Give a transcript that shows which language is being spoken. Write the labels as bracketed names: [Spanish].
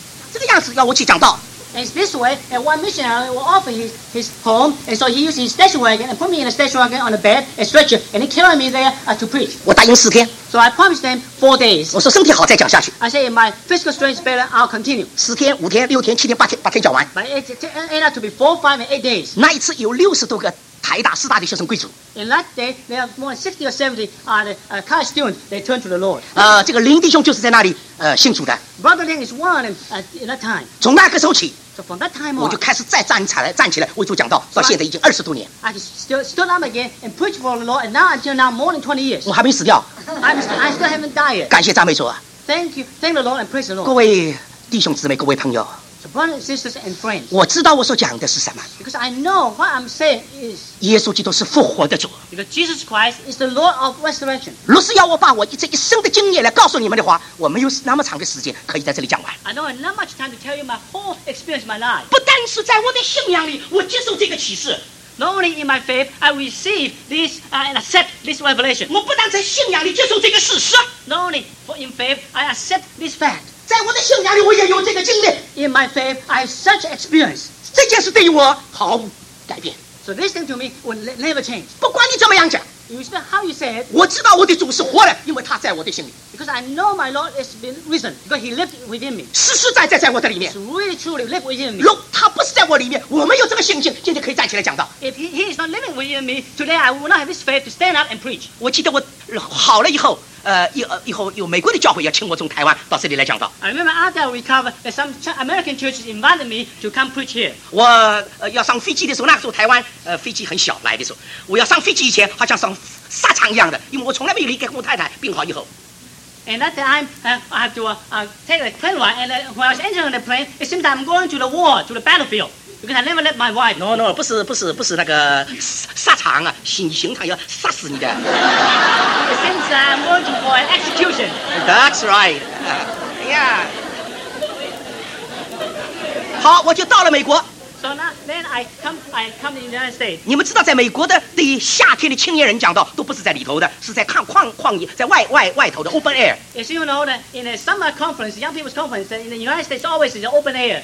[Chinese] 这个样子要我去讲道。 [English] It's this way, and one missionary will offer his home, and so he used his station wagon and put me in a station wagon on a bed, a stretcher, and he carried me there to preach. [Chinese] 我答应4天。 [English] So I promised them 4 days. [Chinese] 我说身体好再讲下去。 [English] I said, if my physical strength is better, I'll continue. [Chinese] 4天、5天、6天、7天、8天，把天讲完。 [English] But it ended up to be 4, 5, and 8 days. [Chinese] 那一次有60多个台大、师大的学生贵族。 [English] In that day, there are more than 60 or 70 college students. They turned to the Lord. [Chinese] 这个林弟兄就是在那里信主的。 [English] Brother Lin is one in that time. [Chinese] 从那个时候起。 [English] So from that time on, [Chinese] 我就开始再站起来为主讲道，到现在已经20多年。 [English] I stood up again and preached for the Lord, and now until now more than 20 years. [Chinese] 我还没死掉。 [English] I still haven't died. [Chinese] 感谢赞美主啊。 [English] Thank you, thank the Lord and praise the Lord. [Chinese] 各位弟兄姊妹，各位朋友。 [English] So brothers and sisters and friends. [Chinese] 我知道我所讲的是什么。 [English] Because I know what I'm saying is. [Chinese] 耶稣基督是复活的主。 [English] Because Jesus Christ is the Lord of resurrection. [Chinese] 若是要我把我这一生的经验来告诉你们的话，我没有那么长的时间可以在这里讲完。 [English] I don't have that much time to tell you my whole experience, my life. [Chinese] 不单是在我的信仰里，我接受这个启示。 [English] Not only in my faith, I receive this and accept this revelation. [Chinese] 我不单在信仰里接受这个事实。 [English] Not only in faith, I accept this fact. [Chinese] 在我的信仰里，我也有这个经历。 [English] In my faith, I have such experience. [Chinese] 这件事对于我毫无改变。 [English] So this thing to me will never change. [Chinese] 不管你怎么样讲。 [English] You speak how you say it. [Chinese] 我知道我的主是活的，因为他在我的心里。 [English] Because I know my Lord has been risen, because He lived within me. [Chinese] 实实在在在我的里面。 [English] So really truly live within me. [Chinese] 如果他不是在我里面，我没有这个信心，今天可以站起来讲道。 [English] If he is not living within me, today I will not have this faith to stand up and preach. [Chinese] 我记得我好了以后。以后有美国的教会要请我从台湾到这里来讲道。 [English] I remember after I recovered that some American churches invited me to come preach here. [Chinese] 我要上飞机的时候，那个时候台湾飞机很小，来的时候，我要上飞机以前，好像上沙场一样的，因为我从来没有离开过太太。病好以后 [English] ，And that time I have to take a plane ride, and when I was entering the plane, it seemed that I'm going to the war, to the battlefield. Because I never let my wife. [Chinese] No, 不是那个沙场啊，刑场要杀死你的。 [English] It seems that I'm going to for an execution. That's right. Yeah. [Chinese] 好，我就到了美国。 [English] So now, then I come to the United States. [Chinese] 你们知道，在美国的的夏天的青年人讲到，都不是在里头的，是在看旷野，在外头的 open air. [English] As you know, in a summer conference, young people's conference in the United States always is open air.